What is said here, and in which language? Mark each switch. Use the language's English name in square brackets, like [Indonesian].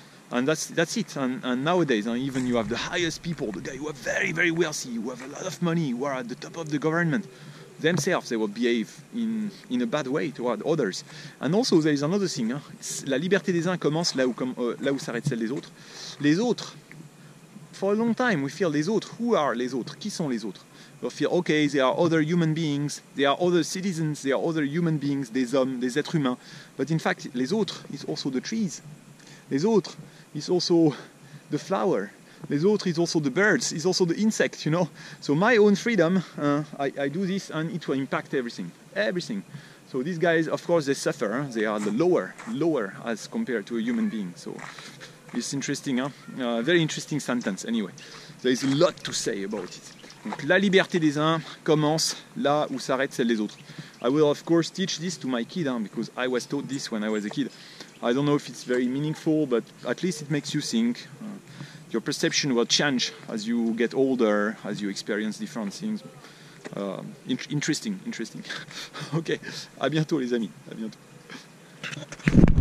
[English] And that's it. And nowadays, even you have the highest people, the guy who are very, very wealthy, who have a lot of money, who are at the top of the government, themselves, they will behave in a bad way toward others. And also, there is another thing. Hein? [French] La liberté des uns commence là où s'arrête celle des autres. [English] Les autres, for a long time, we feel les autres. Who are les autres? [French] Qui sont les autres? [English] We feel, okay, there are other human beings, there are other citizens, there are other human beings, [French] des hommes, des êtres humains. [English] But in fact, les autres is also the trees. Les autres is also the flower. Les autres is also the birds, is also the insect, you know. So my own freedom, I do this and it will impact everything. Everything. So these guys, of course, they suffer. Huh? They are the lower as compared to a human being. So it's interesting, huh? Very interesting sentence anyway. There is a lot to say about it. [French] Donc la liberté des uns commence là où s'arrête celle des autres. [English] I will of course teach this to my kid, hein, because I was taught this when I was a kid. I don't know if it's very meaningful, but at least it makes you think. Your perception will change as you get older, as you experience different things. Interesting. Ok, [French] à bientôt les amis, à bientôt.